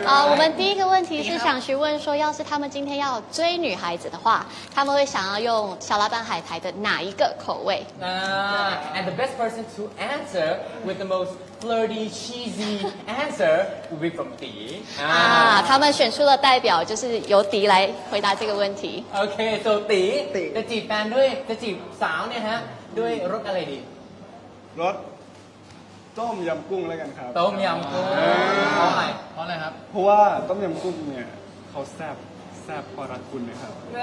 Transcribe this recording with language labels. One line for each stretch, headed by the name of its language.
Chinese: 我们第一个问题是想去问说，要是他们今天要追女孩子的话，他们会想要用小老板海苔的哪一个口味？
English: And the best person to answer with the most flirty, cheesy answer would be from Dee.
Chinese: 他们选出了代表，就是由Dee来回答这个问题。
English: Okay, so Dee.
Thai: จะจีบแฟนด้วยจะจีบสาวเนี่ยฮะด้วยรสอะไรดี รสต้มยำกุ้งแล้วกันครับ ต้มยำกุ้ง เพราะอะไรครับ เพราะว่าต้มยำกุ้งเนี่ยเขาแซ่บแซ่บพอรักคุณนะครับ